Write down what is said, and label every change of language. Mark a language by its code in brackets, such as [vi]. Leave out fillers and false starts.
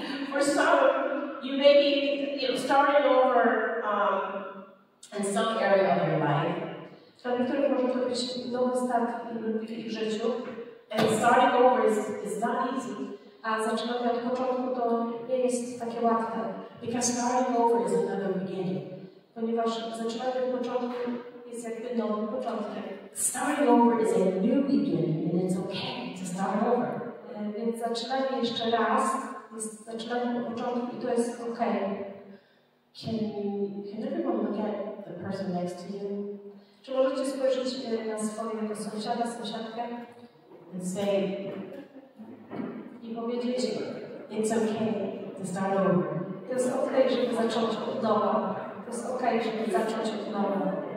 [en] For some, you may be starting over in some area of your life. [pl] Dla niektórych może to być nowy start w ich życiu. [en] And starting over is not easy. [pl] A zaczynamy od początku, to nie jest takie łatwe. [en] Because starting over is another beginning. [pl] Ponieważ zaczynamy od początku jest jakby nowy początek. [en] Starting over is a new beginning, and it's okay to start over. [pl] Więc zaczynamy jeszcze raz, zaczynamy od początku i to jest ok. [en] Can everyone look at the person next to you? [pl] Czy możecie spojrzeć na swojego sąsiada, sąsiadkę? [en] And say, [pl] i powiedzieć, [en] it's okay to start over. [pl] To jest ok, żeby zacząć od nowa. To jest ok, żeby zacząć od nowa.